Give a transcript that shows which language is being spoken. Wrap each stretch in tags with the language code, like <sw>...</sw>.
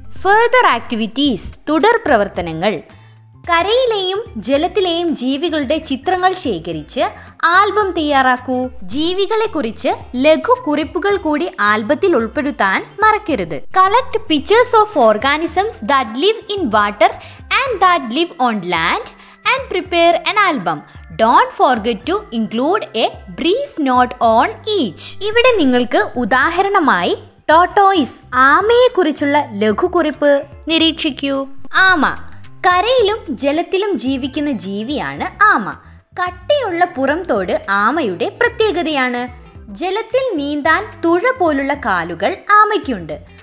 <en>further activities,</en> <ml>തുടർ പ്രവർത്തനങ്ങൾ. കരയിലെയും ജലത്തിലെയും ജീവികളുടെ ചിത്രങ്ങൾ ശേഖരിച്ച് ആൽബം തയ്യാറാക്കൂ. ജീവികളെ കുറിച്ച് ലഘു കുറിപ്പുകൾ കൂടി ആൽബത്തിൽ ഉൾപ്പെടുത്താൻ മറക്കരുത്.</ml> <en>Collect pictures of organisms that live in water and that live on land and prepare an album. Don't forget to include a brief note on each.</en> <ml>ഇവിടെ നിങ്ങൾക്ക് ഉദാഹരണമായി ടോട്ടോയിസ്, ആമയെ കുറിച്ചുള്ള ലഘുകുറിപ്പ് നിരീക്ഷിക്കൂ. ആമ കരയിലും ജലത്തിലും ജീവിക്കുന്ന ജീവിയാണ്. ആമ കട്ടിയുള്ള പുറംതോട് ആമയുടെ പ്രത്യേകതയാണ്. ജലത്തിൽ നീന്താൻ തുഴ പോലുള്ള കാലുകൾ ആമയ്ക്കുണ്ട്.</ml>